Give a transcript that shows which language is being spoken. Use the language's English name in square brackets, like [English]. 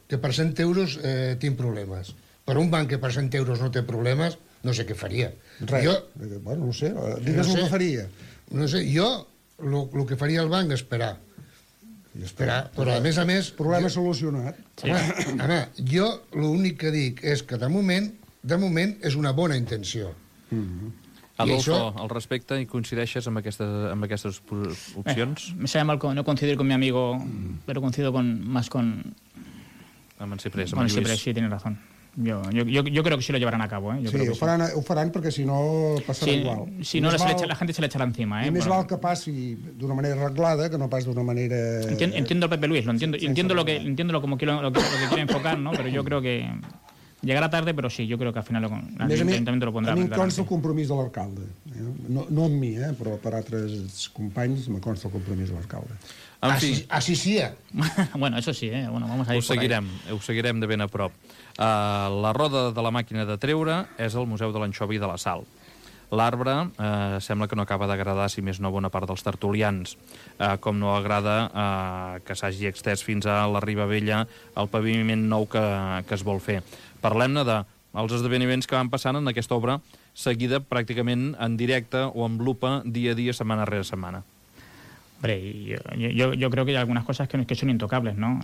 [Catalan] Que per 100 euros tinc problemes. Per un banc que per 100 euros no té problemes, no sé què faria. Res. Jo... Bueno, no sé. Digues no sé. El que faria. No sé. Jo, el que faria el banc, esperar. I esperar, però a més... Problema jo... solucionat. Sí. Home, jo l'únic que dic és que de moment és una bona intenció. Mm-hmm. Adolfo, això... al respecte, i coincideixes amb aquestes opcions? [Spanish] Me sabe mal, no coincidir con mi amigo, pero coincido más con... [Catalan] Amb en Ciprés. Amb en Ciprés, [Spanish] sí, tiene razón. Yo creo que sí lo llevarán a cabo, ¿eh? [Catalan] Sí, ho faran perquè si no passarà sí, igual. [Spanish] Si no, la gente se le echará encima, ¿eh? [Catalan] I més val que passi d'una manera arreglada que no pas d'una manera... [Spanish] Entiendo el Pepe Luis, lo entiendo. Entiendo lo que quiero enfocar, ¿no? Pero yo creo que llegará tarde, pero sí, yo creo que al final l'Ajuntamiento lo pondrá. [Catalan] A mi em consta el compromís de l'alcalde. Eh? No amb mi, ¿eh? Però per altres companys me consta el compromís de l'alcalde. En fi. Així sí. [Spanish] Bueno, [Catalan] això sí, [Spanish] ¿eh? Bueno, vamos a ir [Catalan] ho seguirem de ben a prop. La roda de la màquina de treure és el Museu de l'Anxovi de la Sal. L'arbre sembla que no acaba d'agradar, si més no, bona part dels tertulians, com no agrada que s'hagi extès fins a la Riba Vella el paviment nou que es vol fer. Parlem-ne dels esdeveniments que van passant en aquesta obra, seguida pràcticament en directe o amb lupa, dia a dia, setmana rere setmana. [Spanish] Hombre, yo creo que hay algunas cosas que son intocables, ¿no?